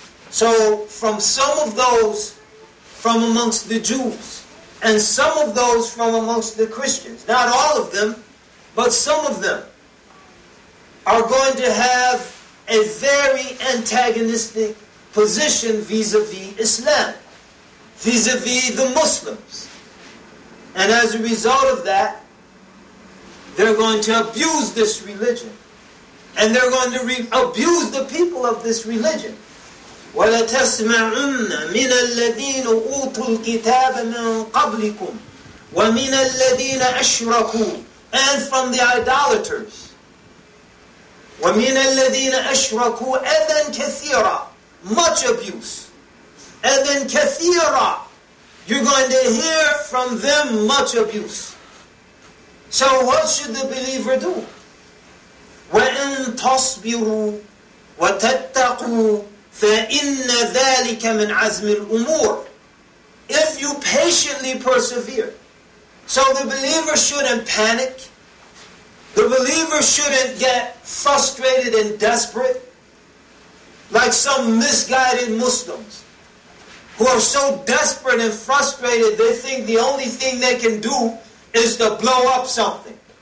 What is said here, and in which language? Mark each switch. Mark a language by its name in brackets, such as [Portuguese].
[English] So from some of those from amongst the Jews and some of those from amongst the Christians, not all of them, but some of them, are going to have a very antagonistic position vis-a-vis Islam, vis-a-vis the Muslims. And as a result of that, they're going to abuse this religion. And they're going to abuse the people of this religion. [Arabic] وَلَتَسْمَعُنَّ مِنَ الَّذِينَ أُوتُوا الْكِتَابَ مِنْ قَبْلِكُمْ وَمِنَ الَّذِينَ أَشْرَكُوا [English] And from the idolaters. [Arabic] وَمِنَ الَّذِينَ أَشْرَكُوا أَذًا كَثِيرًا [English] Much abuse. [Arabic] أَذًا كَثِيرًا [English] You're going to hear from them much abuse. So what should the believer do? [Arabic] وَإِن تَصْبِرُوا وَتَتَّقُوا فَإِنَّ ذَٰلِكَ مِنْ عَزْمِ الْأُمُورِ [English] If you patiently persevere. So the believer shouldn't panic. The believer shouldn't get frustrated and desperate like some misguided Muslims who are so desperate and frustrated they think the only thing they can do is to blow up something.